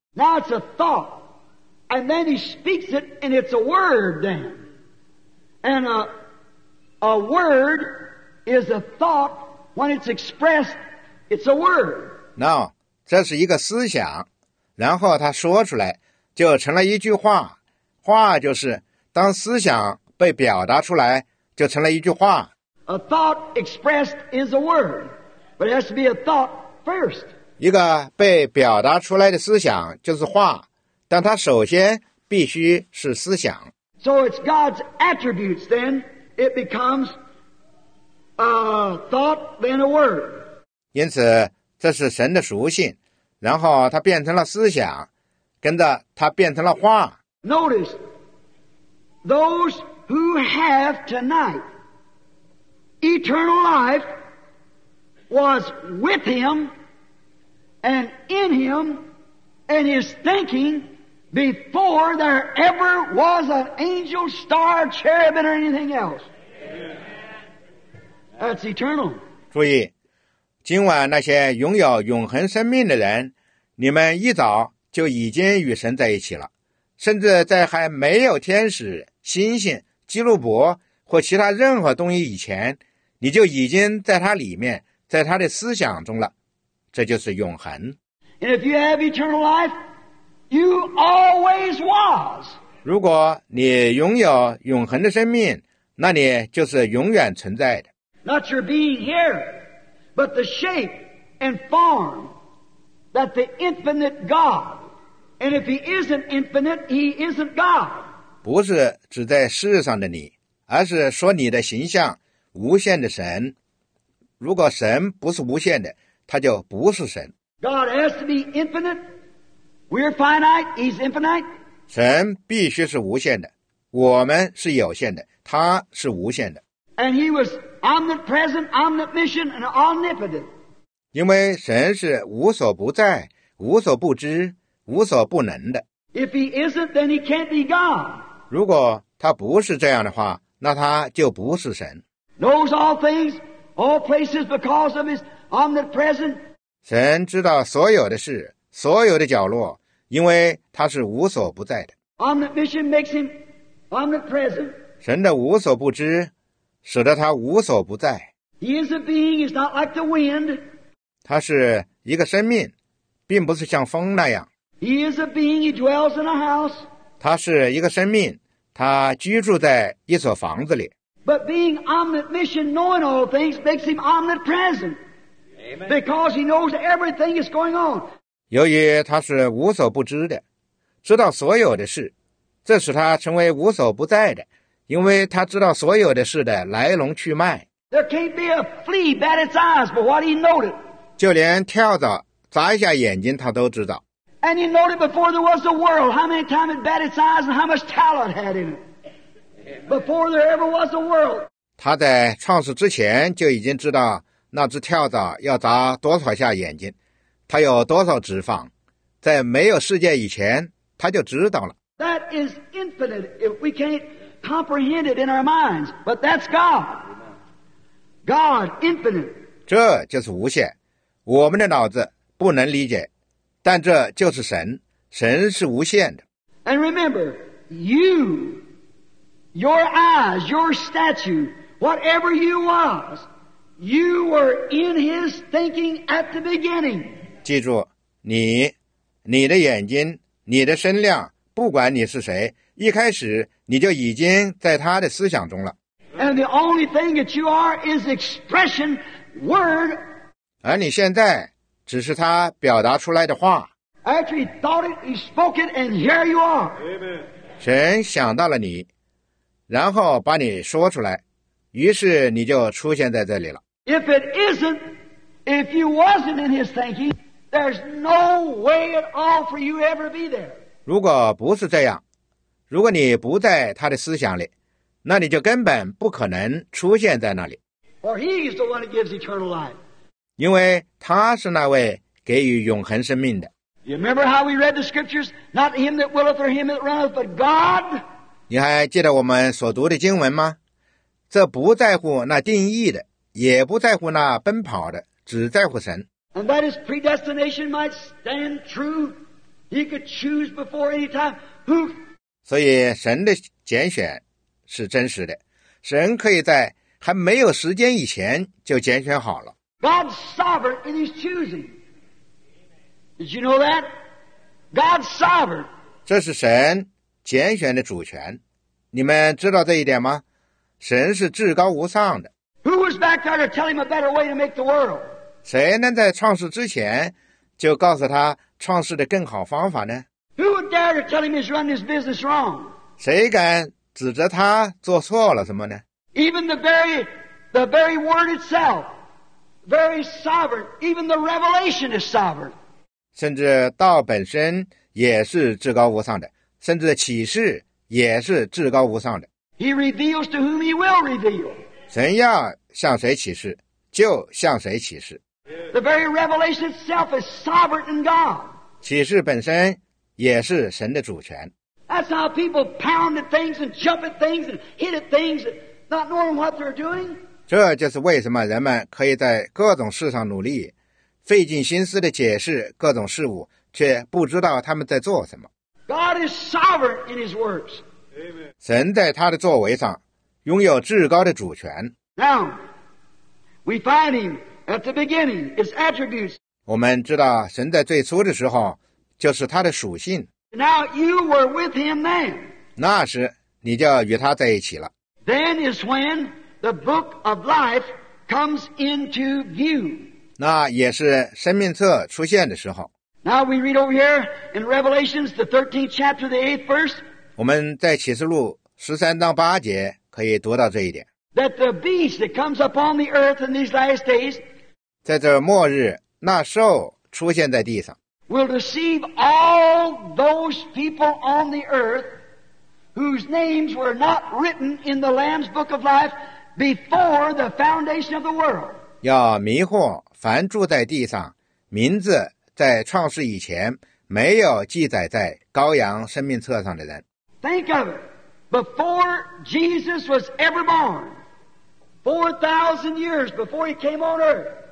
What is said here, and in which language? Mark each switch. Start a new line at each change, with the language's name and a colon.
English: Now it's a thought, and then he speaks it, and it's a word then. And a word is a thought when it's expressed, it's a word.
Chinese: Now, 这是一个思想，然后他说出来，就成了一句话。话就是，当思想被表达出来，就成了一句话。
English: A thought expressed is a word, but it has to be a thought first.
Chinese: 一个被表达出来的思想就是话，但它首先必须是思想。
English: So it's God's attributes, then it becomes a thought, then a word.
Chinese: 因此，这是神的属性，然后它变成了思想，跟着它变成了话。
English: Notice those who have tonight. Eternal life was with him and in him and his thinking before there ever was an angel, star, cherubim, or anything else. That's eternal.
Chinese: 注意，今晚那些拥有永恒生命的人，你们一早就已经与神在一起了，甚至在还没有天使、星星、基路伯或其他任何东西以前。你就已经在他里面，在他的思想中了，这就是永恒。
English: And if you have eternal life, you always was.
Chinese: 如果你拥有永恒的生命，那你就是永远存在的。
English: Not your being here, but the shape and form that the infinite God. And if he isn't infinite, he isn't God.
Chinese: 不是指在世上的你，而是说你的形象。无限的神如果神不是无限的，他就不是神。
English: God has to be infinite. We're finite. He's infinite.
Chinese: 神必须是无限的，我们是有限的，他是无限的。
English: And he was omnipresent, omniscient, and omnipotent.
Chinese: 因为神是无所不在、无所不知、无所不能的。
English: If he isn't, then he can't be God.
Chinese: 如果他不是这样的话，那他就不是神。
English: Knows all things, all places because of his omnipresent.
Chinese: 神知道所有的事、所有的角落，因为他是无所不在的。
English: Omniscient makes him omnipresent.
Chinese: 神的无所不知使得他无所不在。
English: He is a being, he's not like the wind.
Chinese: 他是一个生命，并不是像风那样。
English: He is a being, he dwells in a house.
Chinese: 他是一个生命，他居住在一所房子里。
English: But being omniscient, knowing all things, makes him omnipresent. Amen. Because he knows everything is going on.
Chinese: 由于他是无所不知的，知道所有的事，这使他成为无所不在的，因为他知道所有的事的来龙去脉。
English: There can't be a flea bat its eyes but what he noted.
Chinese: 就连跳蚤眨一下眼睛他都知道。
English: And he noted before there was a world how many times it bat its eyes and how much talent had in it. Before there ever was a world.
Chinese: 他在创世之前就已经知道那只跳蚤要眨多少下眼睛，他有多少脂肪，在没有世界以前他就知道了。
English: That is infinite if we can't comprehend it in our minds. But that's God. God, infinite.
Chinese: 这就是无限，我们的脑子不能理解，但这就是神，神是无限的。
English: And remember, you, your eyes, your statue, whatever you was, you were in his thinking at the beginning.
Chinese: 记住，你，你的眼睛，你的身量，不管你是谁，一开始你就已经在他的思想中了。
English: And the only thing that you are is expression, word.
Chinese: 而你现在只是他表达出来的话。
English: Actually thought it, he spoke it, and here you are. Amen.
Chinese: 神想到了你，然后把你说出来，于是你就出现在这里了。
English: If it isn't, if you wasn't in his thinking, there's no way at all for you ever be there.
Chinese: 如果不是这样，如果你不在他的思想里，那你就根本不可能出现在那里。
English: For he is the one who gives eternal life.
Chinese: 因为他是那位给予永恒生命的。
English: You remember how we read the scriptures? Not him that willeth or him that runneth, but God.
Chinese: 你还记得我们所读的经文吗？这不在乎那定义的，也不在乎那奔跑的，只在乎神。
English: And that his predestination might stand true, he could choose before any time who.
Chinese: 所以神的拣选是真实的，神可以在还没有时间以前就拣选好了。
English: God's sovereign in his choosing. Did you know that? God's sovereign.
Chinese: 这是神拣选的主权，你们知道这一点吗？神是至高无上的。
English: Who was back there to tell him a better way to make the world?
Chinese: 谁能在创世之前就告诉他创世的更好方法呢？
English: Who would dare to tell him he's run his business wrong?
Chinese: 谁敢指责他做错了什么呢？
English: Even the very word itself, very sovereign, even the revelation is sovereign.
Chinese: 甚至道本身也是至高无上的，甚至启示也是至高无上的。
English: He reveals to whom he will reveal.
Chinese: 神要向谁启示，就向谁启示。
English: The very revelation itself is sovereign in God.
Chinese: 启示本身也是神的主权。
English: That's how people pound at things and jump at things and hit at things, not knowing what they're doing.
Chinese: 这就是为什么人们可以在各种事上努力，费尽心思地解释各种事物，却不知道他们在做什么。
English: God is sovereign in his works. Amen.
Chinese: 神在他的作为上拥有至高的主权。
English: Now, we find him at the beginning, his attributes.
Chinese: 我们知道神在最初的时候就是他的属性。
English: Now you were with him then.
Chinese: 那时你就与他在一起了。
English: Then is when the book of life comes into view.
Chinese: 那也是生命册出现的时候。
English: Now we read over here in Revelations, the 13th chapter, the 8th verse.
Chinese: 我们在启示录13章8节可以读到这一点。
English: that the beast that comes upon the earth in these last days,
Chinese: 在这末日，那兽出现在地上，
English: will deceive all those people on the earth whose names were not written in the Lamb's Book of Life before the foundation of the world.
Chinese: 要迷惑凡住在地上，名字在创世以前没有记载在羔羊生命册上的人。
English: Think of it. Before Jesus was ever born, 4,000 years before he came on earth.